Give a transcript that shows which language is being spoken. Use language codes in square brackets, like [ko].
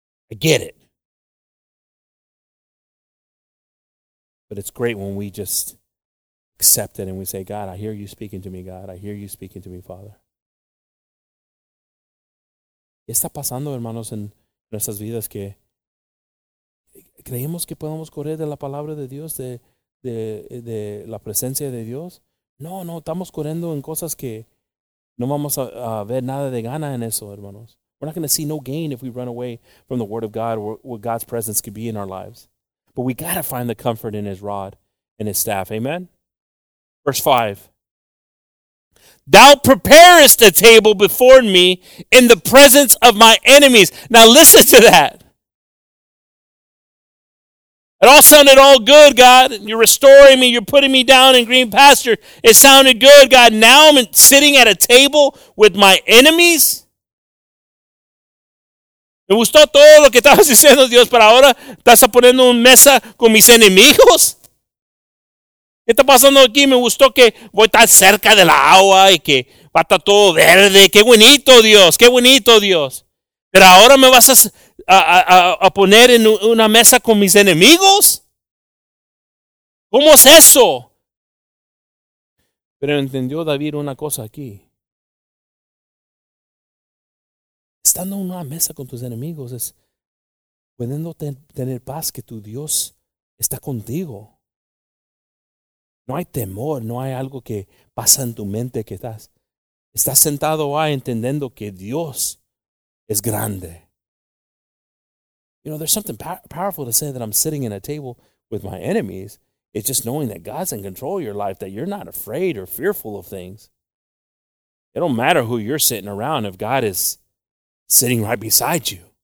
[en] I get it. But it's great when we just accept it and we say, God, I hear you speaking to me, God. I hear you speaking to me, Father. [es] ¿Qué está pasando, hermanos, en nuestras vidas que creemos que podemos correr de la palabra de Dios, de la presencia de Dios? No, estamos corriendo en cosas que no vamos a ver nada de gana en eso, hermanos. [en] We're not going to see no gain if we run away from the Word of God or what God's presence could be in our lives. But we got to find the comfort in His rod and His staff. Amen? Verse 5. Thou preparest a table before me in the presence of my enemies. Now listen to that. It all sounded all good, God. You're restoring me. You're putting me down in green pasture. It sounded good, God. Now I'm sitting at a table with my enemies. [es] Me gustó todo lo que estabas diciendo, Dios, pero ahora estás poniendo una mesa con mis enemigos. ¿Qué está pasando aquí? Me gustó que voy a estar cerca de la agua y que va a estar todo verde. ¡Qué bonito, Dios! ¡Qué bonito, Dios! ¿Pero ahora me vas a poner en una mesa con mis enemigos? ¿Cómo es eso? Pero entendió David una cosa aquí. Estando en una mesa con tus enemigos es pudiendo tener paz que tu Dios está contigo. No hay temor, no hay algo que pasa en tu mente que estás. Estás sentado ahí entendiendo que Dios es grande. [en] You know, there's something powerful to say that I'm sitting in a table with my enemies. It's just knowing that God's in control of your life, that you're not afraid or fearful of things. It don't matter who you're sitting around if God is sitting right beside you.